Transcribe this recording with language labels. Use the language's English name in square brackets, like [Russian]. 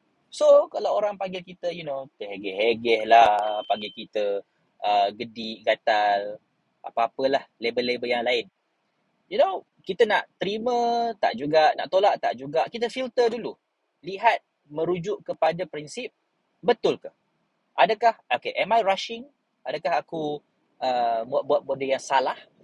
[Malay] So, kalau orang panggil kita, you know, tehegeh-hegeh lah, panggil kita gedik, gatal, apa-apalah, label-label yang lain. You know, kita nak terima tak juga, nak tolak tak juga, kita filter dulu. Lihat, merujuk kepada prinsip, betul ke? Adakah, [English] okay, am I rushing? [Malay] Adakah aku buat benda yang salah?